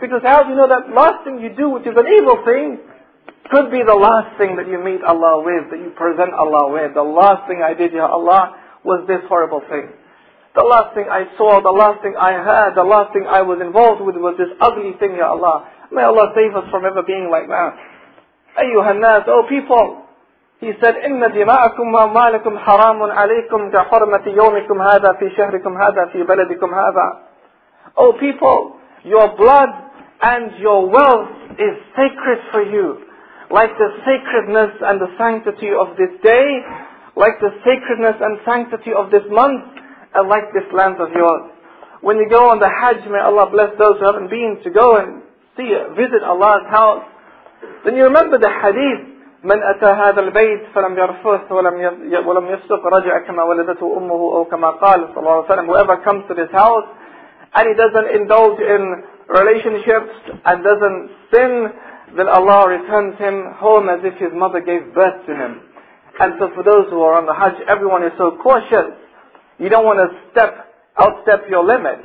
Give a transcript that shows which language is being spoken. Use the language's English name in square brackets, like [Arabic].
[English] Because how do you know that last thing you do, which is an evil thing, could be the last thing that you meet Allah with, that you present Allah with. The last thing I did, Ya Allah, was this horrible thing. The last thing I saw, the last thing I heard, the last thing I was involved with was this ugly thing, Ya Allah. May Allah save us from ever being like that. [Arabic] Ayyuha nas, [English] O people, he said, [Arabic] إِنَّ دِمَاءَكُمْ وَمَالَكُمْ حَرَامٌ عَلَيْكُمْ كَحُرْمَةِ يَوْمِكُمْ هَذَا فِي شَهْرِكُمْ هَذَا فِي بَلَدِكُمْ هَذَا. [English] O people, your blood and your wealth is sacred for you, like the sacredness and the sanctity of this day, like the sacredness and sanctity of this month, and like this land of yours. When you go on the Hajj, may Allah bless those who haven't been to go and see, visit Allah's house. Then you remember the hadith, [Arabic] من أتى هذا البيت فلم يرفث ولم يسق رجع كما ولدته أمه أو كما قال صلى الله عليه وسلم. [English] Whoever comes to this house and he doesn't indulge in relationships and doesn't sin, then Allah returns him home as if his mother gave birth to him. And so for those who are on the Hajj, everyone is so cautious. You don't want to outstep your limit.